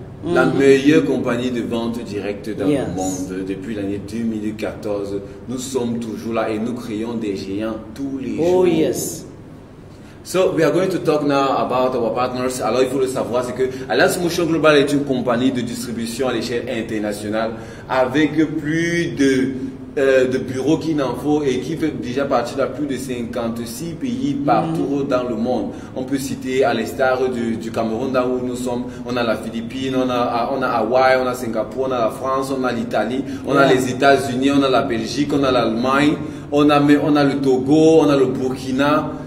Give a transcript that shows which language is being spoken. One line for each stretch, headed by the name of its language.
French: La meilleure compagnie de vente directe dans le monde depuis l'année 2014. Nous sommes toujours là et nous créons des géants tous les jours.
English: Oh, yes. So, we are going to talk now about our partners.
French: Alors, il faut le savoir, c'est que Alliance Emotion Global est une compagnie de distribution à l'échelle internationale avec plus de bureaux qu'il en faut et qui fait déjà partie de plus de 56 pays partout dans le monde. On peut citer à l'instar du Cameroun, là où nous sommes, on a la Philippine, on a Hawaï, on a Singapour, on a la France, on a l'Italie, on a les États-Unis, on a la Belgique, on a l'Allemagne, on a le Togo, on a le Burkina.